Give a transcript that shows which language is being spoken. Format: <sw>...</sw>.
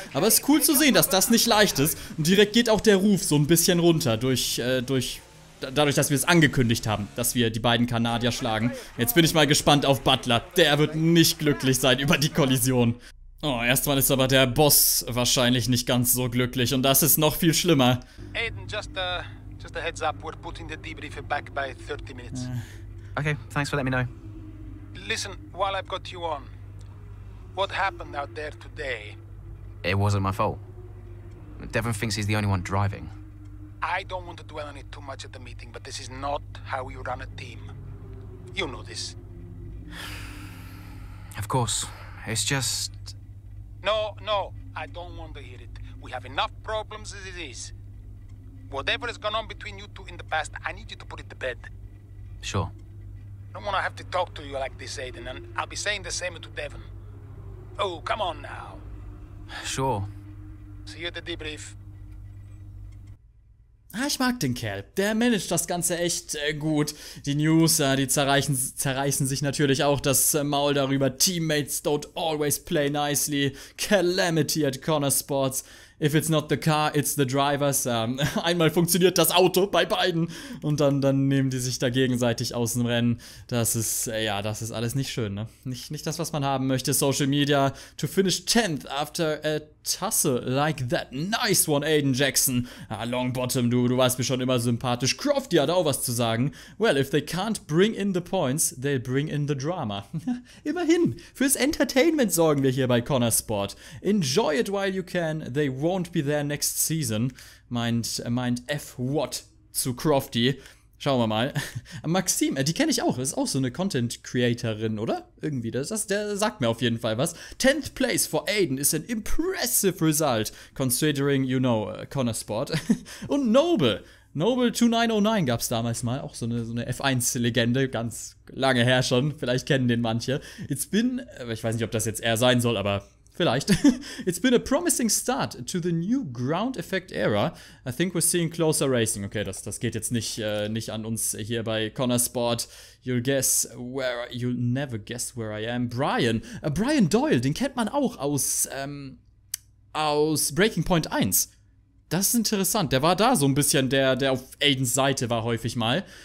<de>Aber es ist cool zu sehen, dass das nicht leicht ist. Und direkt geht auch der Ruf so ein bisschen runter dadurch, dass wir es angekündigt haben, dass wir die beiden Kanadier schlagen. Jetzt bin ich mal gespannt auf Butler. Der wird nicht glücklich sein über die Kollision. Oh, erstmal ist aber der Boss wahrscheinlich nicht ganz so glücklich. Und das ist noch viel schlimmer.</de> <en>Aiden, just a heads up, we're putting the debrief back by 30 minutes. Okay, thanks for letting me know. Listen, while I've got you on, what happened out there today? It wasn't my fault. Devon thinks he's the only one driving. I don't want to dwell on it too much at the meeting, but this is not how you run a team. You know this. Of course, it's just... No, I don't want to hear it. We have enough problems as it is. Whatever has gone on between you two in the past, I need you to put it to bed. Sure. I don't want to have to talk to you like this, Aiden, and I'll be saying the same to Devon. Oh, come on now. Sure. See you at the debrief.</en> <de>Ah, ich mag den Kerl. Der managt das Ganze echt gut. Die News, die zerreißen sich natürlich auch das Maul darüber.</de> <en>Teammates don't always play nicely. Calamity at Corner Sports. If it's not the car, it's the drivers.</en> <de>Einmal funktioniert das Auto bei beiden und dann nehmen die sich da gegenseitig aus dem Rennen. Das ist, ja, das ist alles nicht schön, ne? Nicht das, was man haben möchte.</de> <en>Social Media, to finish 10th after a tussle like that. Nice one, Aiden Jackson.</en> <de>Ah, long bottom, du warst mir schon immer sympathisch. Crofty hat auch was zu sagen.</de> <en>Well, if they can't bring in the points, they'll bring in the drama.</en> <de>Immerhin, fürs Entertainment sorgen wir hier bei Corner Sport.</de> <en>Enjoy it while you can, they won't be there next season, meint F.</en> <de>Watt zu Crofty. Schauen wir mal. Maxime, die kenne ich auch, ist auch so eine Content-Creatorin, oder? Irgendwie, der sagt mir auf jeden Fall was.</de> <en>10th place for Aiden is an impressive result, considering, you know, Connor Sport.</en> <de>Und Noble 2909 gab es damals mal, auch so eine F1-Legende, ganz lange her schon, vielleicht kennen den manche.</de> <en>It's been,</en> <de>ich weiß nicht, ob das jetzt er sein soll, aber... Vielleicht.</de> <en>It's been a promising start to the new ground effect era. I think we're seeing closer racing.</en> <de>Okay, das geht jetzt nicht an uns hier bei Corner Sport.</de> <en>You'll never guess where I am.</en> <de>Brian Doyle, den kennt man auch aus Breaking Point 1. Das ist interessant. Der war da so ein bisschen, der auf Aidens Seite war häufig mal.</de>